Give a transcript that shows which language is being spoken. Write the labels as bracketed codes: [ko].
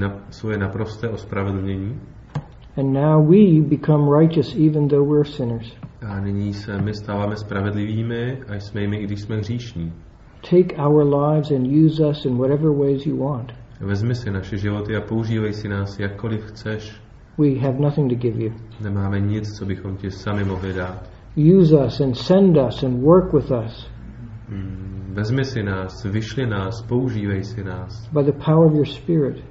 [cs] Svoje naprosté ospravedlnění. [en] And now we become righteous even though we're sinners. [cs] A nyní se my stáváme spravedlivými, a jsme jimi, i když jsme hříšní. [en] Take our lives and use us in whatever ways you want. [cs] Vezmi si naše životy a používej si nás jakkoliv chceš. [en] We have nothing to give you. [cs] Nemáme nic, co bychom ti sami mohli dát. [en] Use us and send us and work with us. [cs] Vezmi si nás, vyšli nás, používej si nás. [en] By the power of your spirit.